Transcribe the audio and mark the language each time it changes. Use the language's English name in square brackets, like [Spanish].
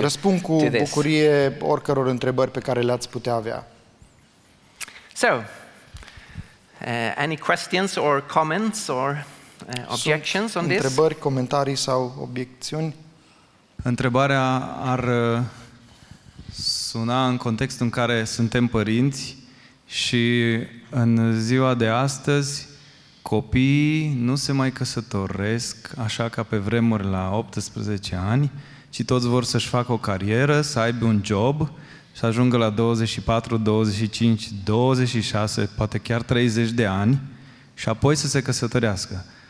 [Romanian] Răspund cu bucurie oricăror întrebări pe care le-ați putea avea. [English] So, any questions or comments or objections on this? [Romanian] Întrebări, comentarii sau obiecțiuni? Întrebarea ar suna în contextul în care suntem părinți și în ziua de astăzi copiii nu se mai căsătoresc așa ca pe vremuri la 18 ani, ci toți vor să-și facă o carieră, să aibă un job, să ajungă la 24, 25, 26, poate chiar 30 de ani și apoi să se căsătorească.